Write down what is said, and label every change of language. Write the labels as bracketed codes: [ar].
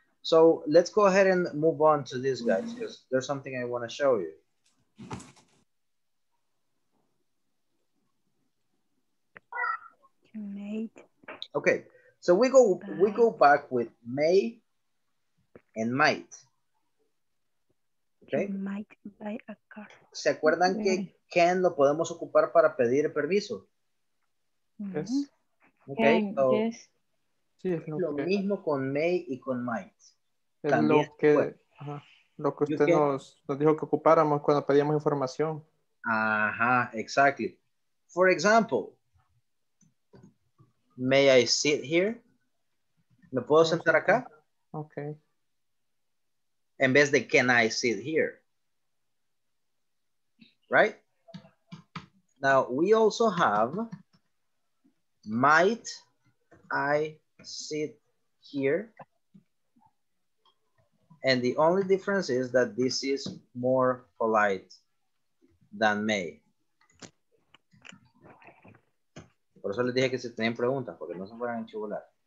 [en] So let's go ahead and move on to this, guys, because there's something I want to show you. May. Okay, so we go back with may and might. Okay. Might buy a car. [es] ¿Se acuerdan que can lo podemos ocupar para pedir permiso? [en] Yes. Okay. So yes. [es] Lo mismo con may y con might. Lo que usted nos dijo que ocupáramos cuando pedíamos información. [en] Ajá, exactly. For example, may I sit here? [es] ¿Me puedo sentar acá? [en] Okay. [es] En vez de [en] can I sit here? Right? Now, we also have might I sit here? And the only difference is that this is more polite than may. [es] Por eso les dije que si tenían preguntas, porque no se fueran a enchivolar.